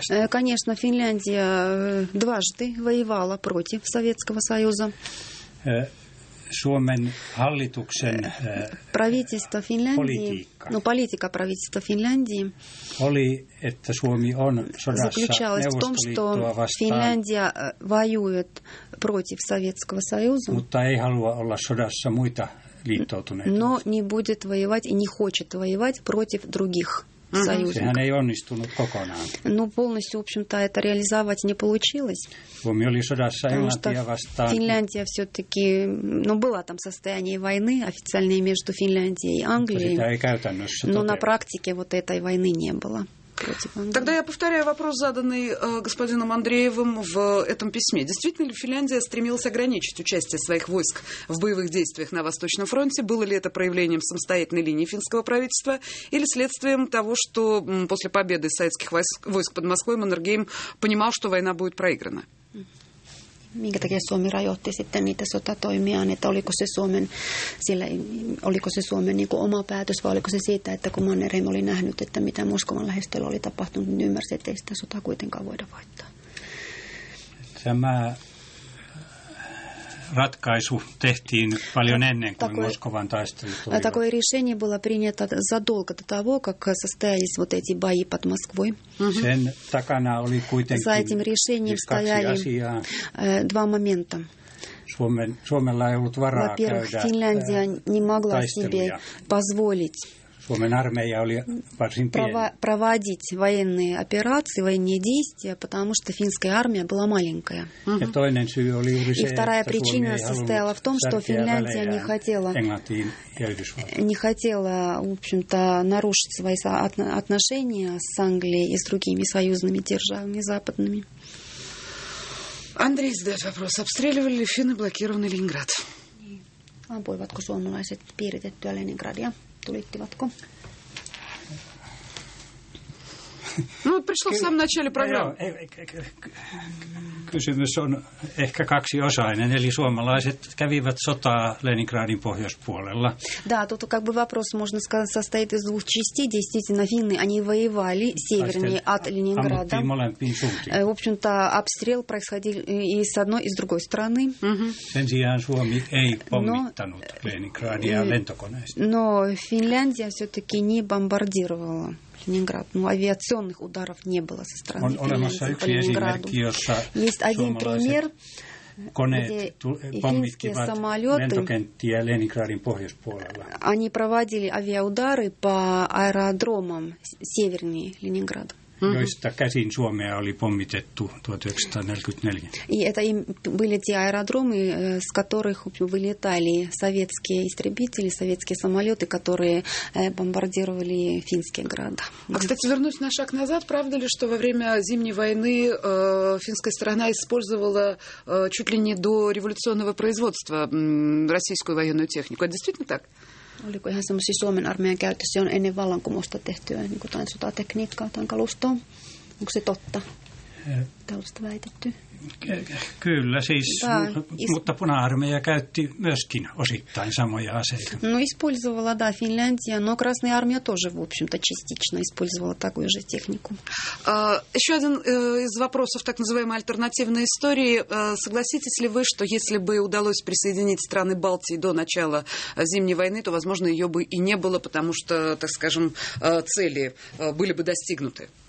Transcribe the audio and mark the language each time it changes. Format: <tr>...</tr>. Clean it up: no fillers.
<ru>Конечно, Финляндия дважды воевала против Советского Союза.</ru> <fi>Suomen hallituksen politiikka</fi> <ru>правительства Финляндии</ru> <fi>oli, että Suomi on sodassa Neuvostoliittoa vastaan.</fi> <ru>Финляндия воюет против Советского Союза.</ru> <fi>Mutta ei halua olla sodassa muita liittoutuneita.</fi> <ru>Но не будет воевать и не хочет воевать против других.</ru> <fi>Sehän ei onnistunut kokonaan.</fi> <ru>No, полностью, в общем-то, это реализовать не получилось.</ru> <fi>Suomi oli sodassa Englantia vastaan.</fi> <ru>Финляндия все-таки, ну, была там состояние войны официальное между Финляндией и Англией.</ru> <fi>Mutta sitä ei käytännössä toteutu.</fi> <ru>Но на практике вот этой войны не было. Тогда я повторяю вопрос, заданный господином Андреевым в этом письме. Действительно ли Финляндия стремилась ограничить участие своих войск в боевых действиях на Восточном фронте? Было ли это проявлением самостоятельной линии финского правительства или следствием того, что после победы советских войск под Москвой Маннергейм понимал, что война будет проиграна?</ru> <fi>Minkä takia Suomi rajoitti sitten niitä sotatoimiaan, että oliko se Suomen niin kuin oma päätös vai oliko se siitä, että kun Mannerheim oli nähnyt, että mitä Moskovan lähestöllä oli tapahtunut, niin ymmärsi, että ei sitä sotaa kuitenkaan voida voittaa. Tämä ratkaisu tehtiin paljon ennen kuin Moskovan taistelu tuli.</fi> <ru>Такое решение было принято задолго до того, как состоялись вот эти бои под Москвой.</ru> <fi>Sen takana oli kuitenkin</fi> <ru>за этим решением стояли два момента.</ru> <fi>Suomella ei ollut varaa käydä.</fi> <ru>Во-первых, Финляндия не могла себе позволить.</ru> <fi>Suomen armeija oli varsin pieni.</fi> <ru>Проводить военные операции, военные действия, потому что финская армия была маленькая.</ru> <fi>Ja toinen syy oli juuri se,</fi> <ru>вторая причина состояла в том, что Финляндия не хотела, в общем-то, нарушить свои отношения с Англией и с другими союзными державами западными. Андрей задает вопрос. Обстреливали ли финны блокированный Ленинград?</ru> <fi>Ampuivatko suomalaiset piiritettyä Ленинградia? Tulittivatko?</fi> <ru>No, пришло в самом начале программы.</ru> <fi>Kysymys on ehkä kaksiosainen, eli suomalaiset kävivät sotaa Leningradin pohjoispuolella.</fi> <ru>Да, тут как бы вопрос, можно сказать, состоит из двух частей. Действительно, финны, они воевали севернее от Ленинграда.</ru> <fi>Ammuttiin molempiin suuntiin.</fi> <ru>В общем-то, обстрел происходил и с одной, и с другой стороны.</ru> <fi>Sen sijaan Suomi ei pommittanut Leningradia lentokoneista.</fi> <ru>Но Финляндия все-таки не бомбардировала. Ленинград. Ну, авиационных ударов не было со стороны Финляндии по Ленинграду. Есть один пример.</ru> <fi>koneet, pommitkin lentokenttiä Leningradin pohjoispuolella.</fi> <ru>Они проводили авиаудары по аэродромам севернее Ленинграда.</ru> <fi>Joista käsin Suomea oli pommitettu 1944.</fi> <ru>И это были те аэродромы, с которых вылетали советские истребители, советские самолеты, которые бомбардировали финские города. А, кстати, вернусь на шаг назад. Правда ли, что во время Зимней войны финская сторона использовала чуть ли не до революционного производства российскую военную технику? Это действительно так?</ru> <fi>Oliko ihan semmoisia Suomen armeijan käytössä, on ennen vallankumousta tehtyä niin kuin sotatekniikkaa tai kalustoa? Onko se totta? Tällaista väitetty? Kyllä siis, mutta puna-armeija käytti myöskin osittain samoja aseita.</fi> <ru>No, использовала, да, Финляндия, но Красная армия тоже, в общем-то, частично использовала такую же технику. Еще один из вопросов так называемой альтернативной истории. Согласитесь ли вы, что если бы удалось присоединить страны Балтии до начала Зимней войны, то, возможно, ее бы и не было, потому что, так скажем, цели были бы достигнуты?</ru>